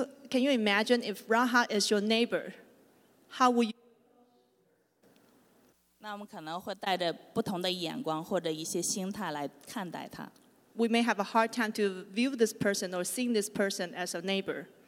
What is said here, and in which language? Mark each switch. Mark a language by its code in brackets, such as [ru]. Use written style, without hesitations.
[en] Can you imagine if Rahab is your neighbor? How would you? [zh] 那我们可能会带着不同的眼光或者一些心态来看待他。 [en] We may have a hard time to view this person or seeing this person as a neighbor.